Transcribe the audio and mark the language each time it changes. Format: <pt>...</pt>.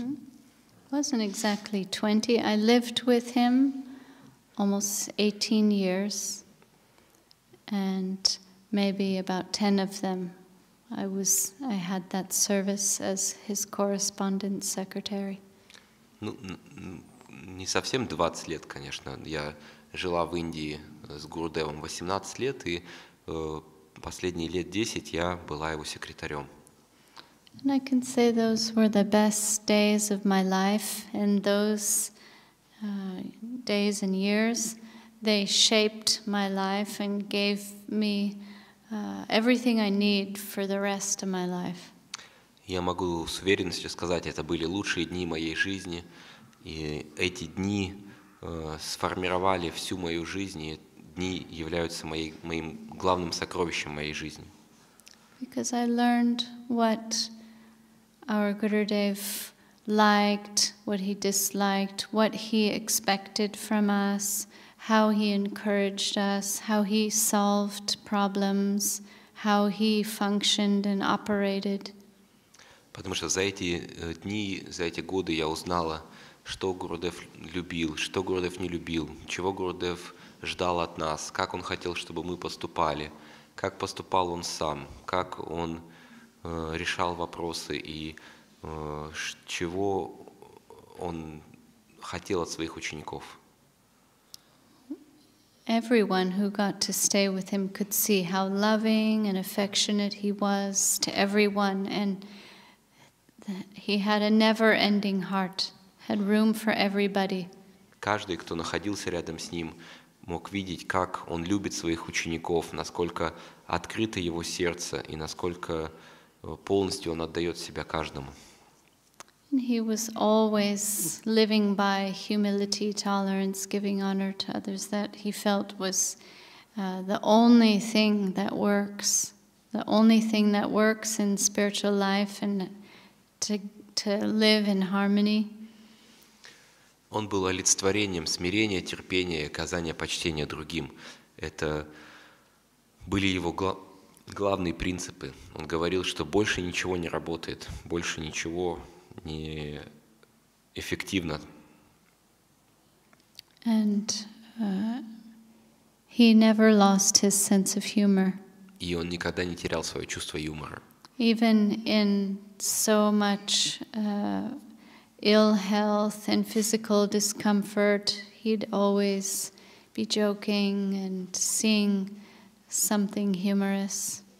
<en>Mm-hmm. It wasn't exactly 20. I lived with him almost 18 years, and maybe about 10 of them I had that service as his correspondent secretary.</en> <ru>Ну, не совсем 20 лет, конечно. Я жила в Индии с Гурудевом 18 лет, и последние лет 10 я была его секретарем.</ru> <en>And I can say those were the best days of my life, and those days and years, they shaped my life and gave me everything I need for the rest of my life.</en> <ru>Я могу с уверенностью сказать, это были лучшие дни моей жизни, и эти дни сформировали всю мою жизнь, и дни являются моим главным сокровищем моей жизни.</ru> <en>Because I learned what our Gurudev liked, what he disliked, what he expected from us, how he encouraged us, how he solved problems, how he functioned and operated.</en> <ru>Потому что за эти дни, за эти годы я узнала, что Гурудев любил, что Гурудев не любил, чего Гурудев ждал от нас, как он хотел, чтобы мы поступали, как поступал он сам, как он решал вопросы и чего он хотел от своих учеников.</ru> <en>Everyone who got to stay with him could see how loving and affectionate he was to everyone, and he had a never-ending heart, had room for everybody.</en> <ru>Каждый, кто находился рядом с ним, мог видеть, как он любит своих учеников, насколько открыто его сердце и насколько полностью он отдает себя каждому.</ru> <en>He was always living by humility, tolerance, giving honor to others. That he felt was the only thing that works. The only thing that works in spiritual life and to live in harmony.</en> <ru>Он был олицетворением смирения, терпения и оказания почтения другим. Это были его главные принципы. Он говорил, что больше ничего не работает, больше ничего не эффективно.</ru> <en>And he never lost his sense of humor.</en> <ru>И он никогда не терял свое чувство юмора.</ru> <en>Even in so much ill health and physical discomfort, he'd always be joking and seeing something humorous.</en>